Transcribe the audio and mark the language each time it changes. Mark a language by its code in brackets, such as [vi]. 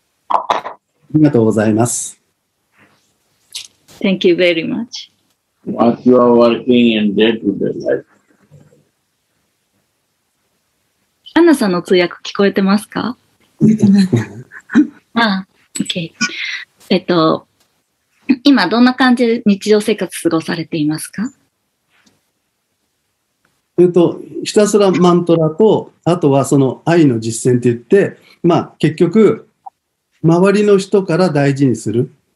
[ja] ありがとうございます。 [en] Thank you very much. What you are working in day-to-day life? [ja] アナさんの通訳聞こえてますか？聞こえてない。OK。今どんな感じで日常生活過ごされていますか？ひたすらマントラと、あとはその愛の実践といって、まあ結局、周りの人から大事にする。